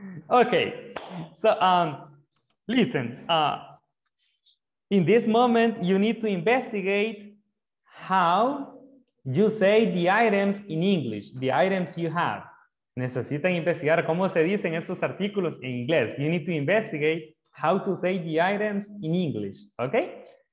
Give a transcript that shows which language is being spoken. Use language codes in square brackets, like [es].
[en] Okay, so listen, in this moment, you need to investigate how you say the items in English, the items you have. [es] Necesitan investigar cómo se dicen esos artículos en inglés. [en] You need to investigate how to say the items in English, okay?